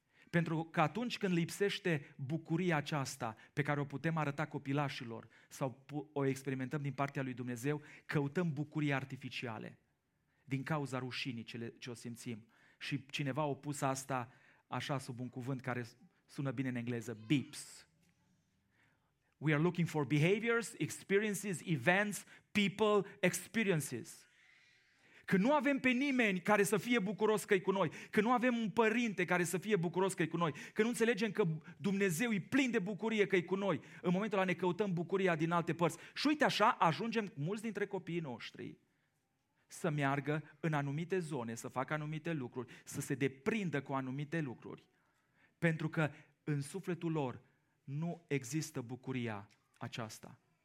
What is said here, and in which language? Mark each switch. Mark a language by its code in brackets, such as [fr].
[ro] Pentru că atunci când lipsește bucuria aceasta pe care o putem arăta copilașilor sau o experimentăm din partea lui Dumnezeu, căutăm bucurii artificiale din cauza rușinii ce o simțim. Și cineva a pus asta așa sub un cuvânt care sună bine în engleză, beeps. [en] We are looking for behaviors, experiences, events, people, experiences. [ro] Când nu avem pe nimeni care să fie bucuros că e cu noi, când nu avem un părinte care să fie bucuros că e cu noi, când nu înțelegem că Dumnezeu e plin de bucurie că e cu noi, în momentul ăla ne căutăm bucuria din alte părți. Și uite așa ajungem mulți dintre copiii noștri să meargă în anumite zone, să facă anumite lucruri, să se deprindă cu anumite lucruri, pentru că în sufletul lor nu există bucuria aceasta.